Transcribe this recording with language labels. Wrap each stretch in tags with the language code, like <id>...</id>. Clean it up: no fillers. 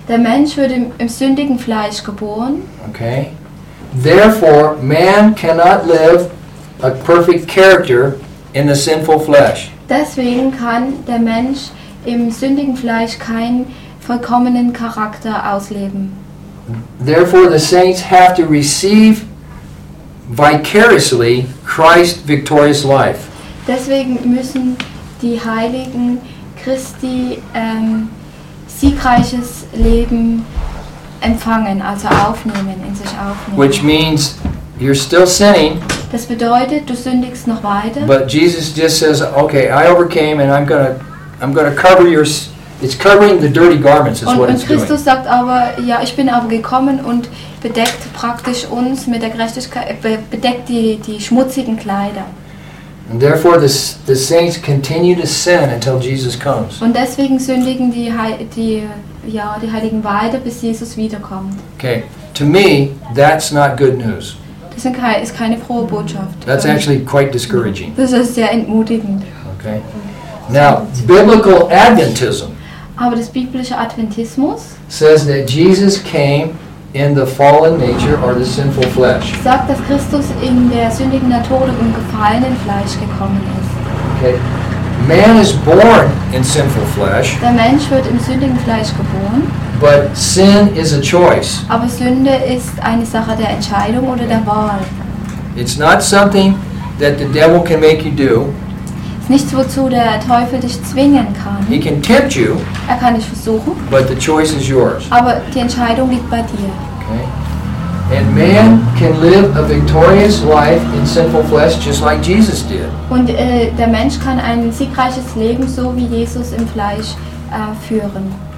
<de>Der Mensch wird im sündigen Fleisch geboren.</de> <en>Okay. Therefore, man cannot live a perfect character in the sinful flesh.</en> <de>Deswegen kann der Mensch im sündigen Fleisch keinen vollkommenen Charakter ausleben.</de> <en>Therefore, the saints have to receive vicariously Christ's victorious life.</en> <de>Deswegen müssen die Heiligen Christi siegreiches Leben empfangen, also aufnehmen, in sich aufnehmen.</de> <en>Which means you're still sinning.</en> <de>Das bedeutet, du sündigst noch weiter.</de> <en>But Jesus just says, okay, I overcame and I'm gonna cover your, it's covering the dirty garments is</en> <de>und</de> <en>what</en> <de>und</de> <en>it's</en> <de>Christus</de> <en>doing.</en> <de>Sagt aber, ja, ich bin aber gekommen und bedeckt praktisch uns mit der Gerechtigkeit, bedeckt die schmutzigen Kleider.</de> <en>And therefore the saints continue to sin until Jesus comes.</en> <de>Und deswegen sündigen die Heiligen weiter, bis Jesus wiederkommt.</de> <en>Okay, to me, that's not good news.</en> <de>Das ist keine frohe Botschaft.</de> <en>That's actually quite discouraging.</en> <de>Das ist sehr entmutigend.</de> <en>Okay. Now, biblical Adventism.</en> <de>Aber das biblische Adventismus</de> <en>says that Jesus came in the fallen nature or the sinful flesh.</en> <de>Sagt, dass Christus in der sündigen Natur oder im gefallenen Fleisch gekommen ist.</de> <en>Okay. Man is born in sinful flesh.</en> <de>Der Mensch wird im sündigen Fleisch geboren.</de> <en>But sin is a choice.</en> <de>Aber Sünde ist eine Sache der Entscheidung oder der Wahl.</de> <en>It's not something that the devil can make you do.</en> <de>Es ist nichts, wozu der Teufel dich zwingen kann.</de> <en>He can tempt you.</en> <de>Er kann dich versuchen.</de> <en>But the choice is yours.</en> <de>Aber die Entscheidung liegt bei dir.</de> <en>Okay. And man can live a victorious life in sinful flesh just like Jesus did.</en> <de>Und der Mensch kann ein siegreiches Leben so wie Jesus im Fleisch führen.</de>